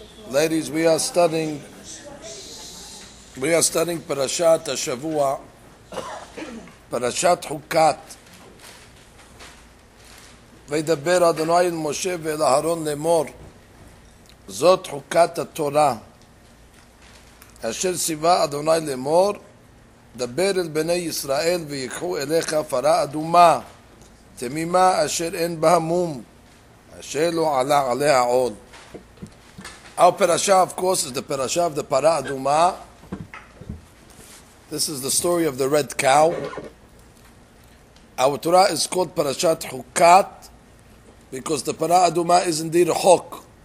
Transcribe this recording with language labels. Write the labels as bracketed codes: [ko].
[en] Ladies, we are studying פרשת השבוע, פרשת חוקת. [he] וידבר אדוני אל משה ואל אהרון לאמור, זאת חוקת התורה, אשר ציווה אדוני לאמור, דבר אל בני ישראל ויקחו אליך פרה אדומה, תמימה אשר אין בה מום, אשר לא עלה עליה עוד. [en] Our parasha, of course, is the parasha of the Parah Aduma. This is the story of the red cow. Our Torah is called Parashat Chukat because the Parah Aduma is indeed a hawk.